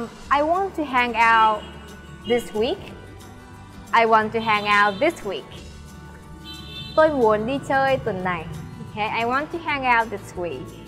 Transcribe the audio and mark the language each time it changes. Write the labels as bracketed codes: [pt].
[en] I want to hang out this week. I want to hang out this week. [vi] Tôi muốn đi chơi tuần này. [en] Okay, I want to hang out this week.